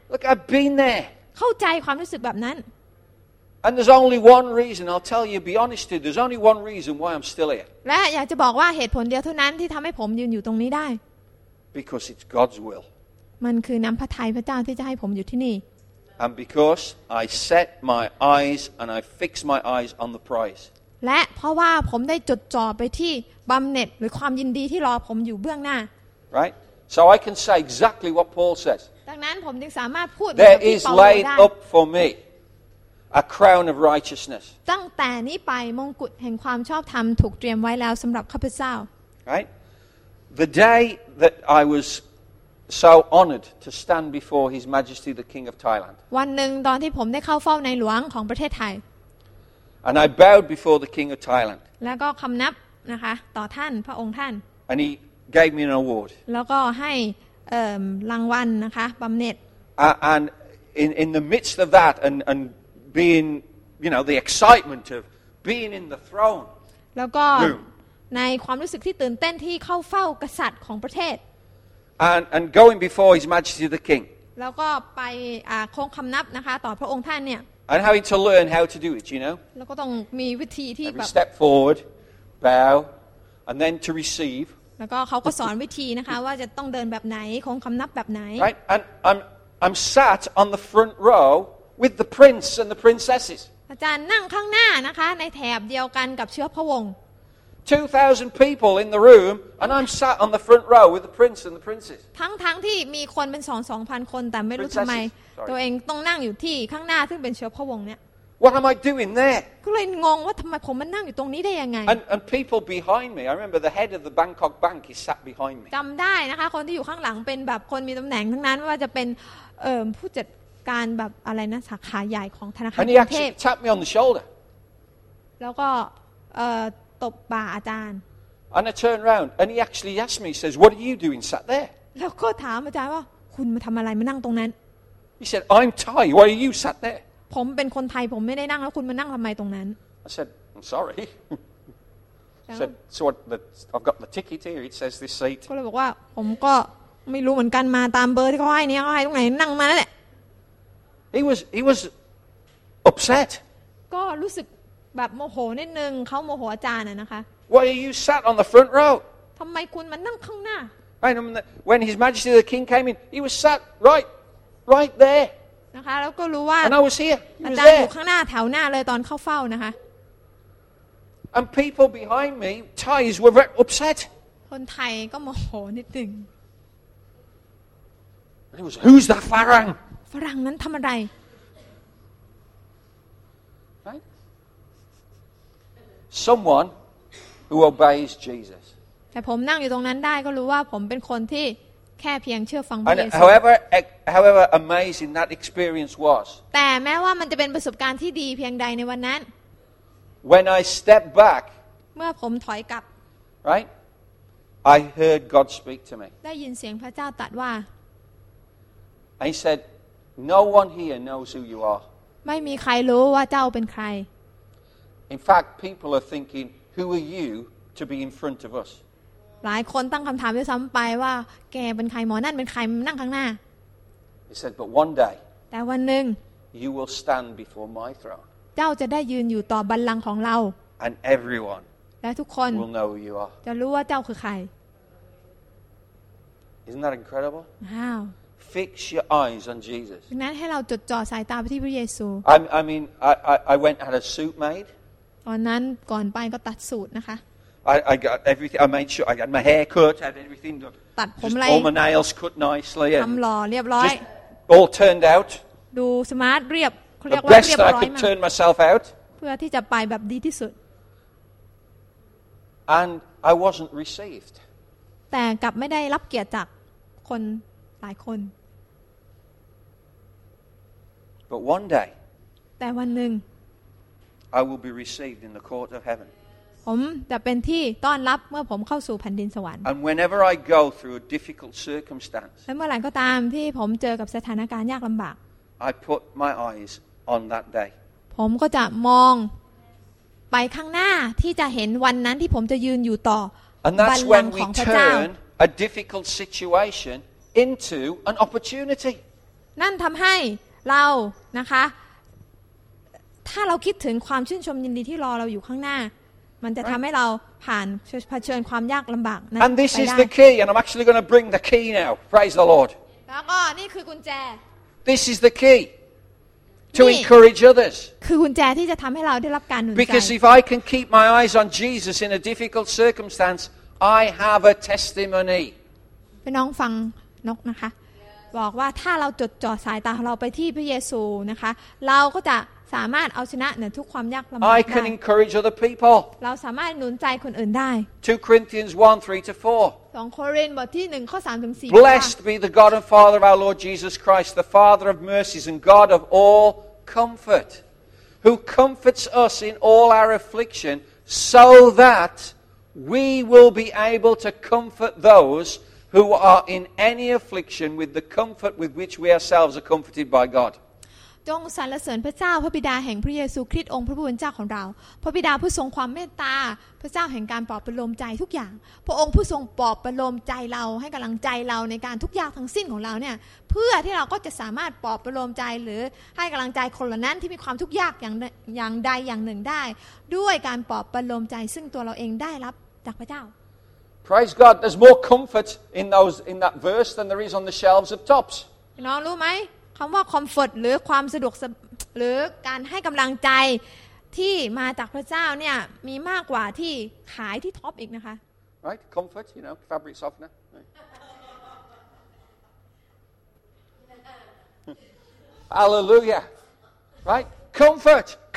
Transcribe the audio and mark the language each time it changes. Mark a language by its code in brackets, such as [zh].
[en] Look I've been there [th] เข้าใจความรู้สึกแบบนั้น [en] And there's only one reason, I'll tell you, be honest with you, there's only one reason why I'm still here. [th] และอยากจะบอกว่าเหตุผลเดียวเท่านั้นที่ทำให้ผมยืนอยู่ตรงนี้ได้ [en] Because it's God's will. [th] มันคือน้ำพระทัยพระเจ้าที่จะให้ผมอยู่ที่นี่ [en] And because I set my eyes and I fix my eyes on the prize. [th] และเพราะว่าผมได้จดจ่อไปที่บำเหน็จหรือความยินดีที่รอผมอยู่เบื้องหน้า [en] Right? So I can say exactly what Paul says. [th] ดังนั้นผมจึงสามารถพูด แบบที่เปาโลได้ [en] There is laid up for meA crown of righteousness. [th] ตั้งแต่นี้ไปมงกุฎแห่งความชอบธรรมถูกเตรียมไว้แล้วสำหรับข้าพเจ้า [en] Right? The day that I was so honored to stand before His Majesty the King of Thailand. [th] วันหนึ่งตอนที่ผมได้เข้าเฝ้าในหลวงของประเทศไทย [en] And I bowed before the King of Thailand. [th] แล้วก็คำนับนะคะต่อท่านพระองค์ท่าน [en] And He gave me an award. [th] แล้วก็ให้รางวัล นะคะบำเหน็จ [en] And in the midst of that and being you know the excitement of being in the throne [th] แล้วก็ในความรู้สึกที่ตื่นเต้นที่เข้าเฝ้ากษัตริย์ของประเทศ [en] and going before his majesty the king [th] แล้วก็ไปคงคำนับนะคะต่อพระองค์ท่านเนี่ย [en] and having to learn how to do it you know [th] แล้วก็ต้องมีวิธีที่แบบ [en] step forward bow and then to receive [th] แล้วก็เขาก็สอนวิธีนะคะว่าจะต้องเดินแบบไหนคงคำนับแบบไหน [en] right and I'm sat on the front rowwith the prince and the princesses [th] อาจารย์นั่งข้างหน้านะคะในแถบเดียวกันกับเชื้อพระวงศ์ [en] 2,000 people in the room and I'm sat on the front row with the prince and the princess [th] ทั้งที่มีคนเป็น 2,000 คนแต่ไม่รู้ทำไมตัวเองต้องนั่งอยู่ที่ข้างหน้าซึ่งเป็นเชื้อพระวงศ์เนี่ย [en] What am I doing there [th] ก็เลยงงว่าทำไมผมมานั่งอยู่ตรงนี้ได้ยังไง [en] And people behind me I remember the head of the Bangkok bank is sat behind me [th] จำได้นะคะคนที่อยู่ข้างหลังเป็นแบบคนมีตำแหน่งทั้งนั้นไม่ว่าจะเป็นผู้จัดการแบบอะไรนะสาขาใหญ่ของธนาคารกรุงเทพ [en] tap me on the shoulder [th] แล้วก็ตบบ่าอาจารย์ [en] and I turn round and he actually asked me he says what are you doing sat there [th] แล้วก็ถามอาจารย์ว่าคุณมาทำอะไรมานั่งตรงนั้น [en] he said I'm Thai why are you sat there [th] ผมเป็นคนไทยผมไม่ได้นั่งแล้วคุณมานั่งทำไมตรงนั้น [en] I said I'm sorry I said so what I've got the ticket here it says this seat [th] ก็เลยบอกว่าผมก็ไม่รู้เหมือนกันมาตามเบอร์ที่เขาให้นี่เขาให้ตรงไหนนั่งมาแล้วแหละ [en] He was upset. [th] ก็รู้สึกแบบโมโหนิดนึงเขาโมโหอาจารย์อะนะคะ [en] Why are you sat on the front row? [th] ทำไมคุณมานั่งข้างหน้า [en] Right, when His Majesty the King came in, he was sat right there. [th] นะคะแล้วก็รู้ว่า [en] And I was here. [th] อาจารย์อยู่ข้างหน้าแถวหน้าเลยตอนเข้าเฝ้านะคะ [en] And people behind me, Thais were very upset. [th] คนไทยก็โมโหนิดนึง [en] And he was, who's that Farang? [th] ฝรั่งนั้นทำอะไร [en] right? Someone who obeys Jesus [th] แต่ผมนั่งอยู่ตรงนั้นได้ก็รู้ว่าผมเป็นคนที่แค่เพียงเชื่อฟังพระเยซู [en] However amazing that experience was [th] แต่แม้ว่ามันจะเป็นประสบการณ์ที่ดีเพียงใดในวันนั้น [en] When I step back [th] เมื่อผมถอยกลับ [en] right I heard God speak to me [th] ได้ยินเสียงพระเจ้าตรัสว่า [en] I saidNo one here knows who you are. [th] ไม่มีใครรู้ว่าเจ้าเป็นใคร [en] In fact, people are thinking, "Who are you to be in front of us?" [th] หลายคนตั้งคำถามด้วยซ้ำไปว่าแกเป็นใครหมอนั่นเป็นใครนั่งข้างหน้า [en] He said, "But one day." [th] แต่วันหนึ่ง [en] You will stand before my throne. [th] เจ้าจะได้ยืนอยู่ต่อบัลลังก์ของเรา [en] And everyone. [th] และทุกคน [en] will know who you are. [th] จะรู้ว่าเจ้าคือใคร [en] Isn't that incredible? Wow. Fix your eyes on Jesus. [th] นั้นให้เราจดจ่อสายตาไปที่พระเยซู [en] I went had a suit made. [th] ตอนนั้นก่อนไปก็ตัดสูทนะคะ [en] I got everything. I made sure I got my hair cut. Had everything done. [th] ตัดผม เลย [en] All my nails cut nicely. [th] ทำหล่อเรียบร้อย [en] All turned out. [th] ดูสมาร์ทเรียบเรียกว่ า เรียบร้อยมาก [en] I could turn myself out. [th] เพื่อที่จะไปแบบดีที่สุด [en] And I wasn't received. [th] แต่กลับไม่ได้รับเกียรติจากคนหลายคน [en] But one day, [th] แต่วันหนึ่ง [en] I will be received in the court of heaven. [th] ผมจะเป็นที่ต้อนรับเมื่อผมเข้าสู่แผ่นดินสวรรค์ [en] And whenever I go through a difficult circumstance [th] และเมื่อไหร่ก็ตามที่ผมเจอกับสถานการณ์ยากลำบาก [en] I put my eyes on that day [th] ผมก็จะมองไปข้างหน้าที่จะเห็นวันนั้นที่ผมจะยืนอยู่ต่อ [en] And that's when we turn a difficult situation into an opportunity [th] นั่นทำให้เรานะคะถ้าเราคิดถึงความชื่นชมยินดีที่รอเราอยู่ข้างหน้ามันจะทำให้เราผ่านเผชิญความยากลำบากนั้น [en] And this is the key and I'm actually going to bring the key now praise the Lord [th] แล้วก็นี่คือกุญแจ [en] This is the key to encourage others [th] คือกุญแจที่จะทำให้เราได้รับการหนุนใจ [en] Because if I can keep my eyes on Jesus in a difficult circumstance I have a testimony [th] พี่น้องฟังนกนะคะบอกว่าถ้าเราจดจ่อสายตาของเราไปที่พระเยซูนะคะเราก็จะสามารถเอาชนะเหนือทุกความยากลำบากได้ [en] I can encourage other people [th] เราสามารถหนุนใจคนอื่นได้ [en] 2 Corinthians 1:3 to 4 [th] 2 โครินธ์บทที่1ข้อ3ถึง4 [en] Blessed be the God and Father of our Lord Jesus Christ the Father of mercies and God of all comfort who comforts us in all our affliction so that we will be able to comfort those who are in any affliction with the comfort with which we ourselves are comforted by God [th] จงสรรเสริญพระเจ้าพระบิดาแห่งพระเยซูคริสต์องค์พระผู้เป็นเจ้าของเราพระบิดาผู้ทรงความเมตตาพระเจ้าแห่งการปลอบประโลมใจทุกอย่างพระองค์ผู้ทรงปลอบประโลมใจเราให้กำลังใจเราในการทุกอย่างทั้งสิ้นของเราเนี่ยเพื่อที่เราก็จะสามารถปลอบประโลมใจหรือให้กำลังใจคนเหล่านั้นที่มีความทุกข์ยากอย่างใดอย่างหนึ่งได้ด้วยการปลอบประโลมใจซึ่งตัวเราเองได้รับจากพระเจ้า [en] Praise God there's more comfort in those in that verse than there is on the shelves of Tops [th] น้องรู้ไหมคำว่าคอมฟอร์ตหรือความสะดวกหรือการให้กำลังใจที่มาจากพระเจ้าเนี่ยมีมากกว่าที่ขายที่ท็อปอีกนะคะ [en] right comfort you know fabric softener hallelujah right comforted